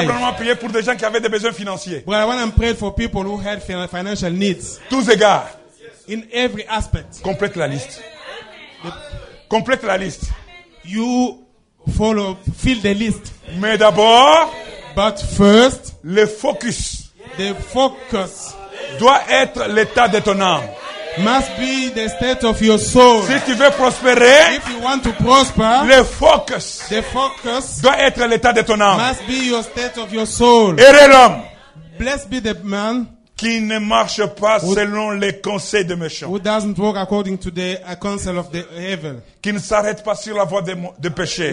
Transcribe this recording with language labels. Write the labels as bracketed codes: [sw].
[fr] J'ai vraiment prié pour des gens qui avaient des besoins financiers. [en] But I want to pray for people who had financial needs. [fr] Tous égards. [en] Yes, in every aspect. [fr] Complète la liste. Complète la liste. [en] You follow, fill the list. [fr] Mais d'abord, [en] but first, [fr] le focus, [en] the focus, [fr] doit être l'état de ton âme. [en] Must be the state of your soul. [fr] Si tu veux prospérer, [en] if you want to prosper, [fr] le focus, [en] the focus, [fr] doit être l'état de ton âme. [en] Must be your state of your soul. [fr] Heureux l'homme. [en] Blessed be the man. [fr] Qui ne marche pas selon les conseils de méchants. [en] Who doesn't walk according to the counsel of the evil. [fr] Qui ne s'arrête pas sur la voie des péchés.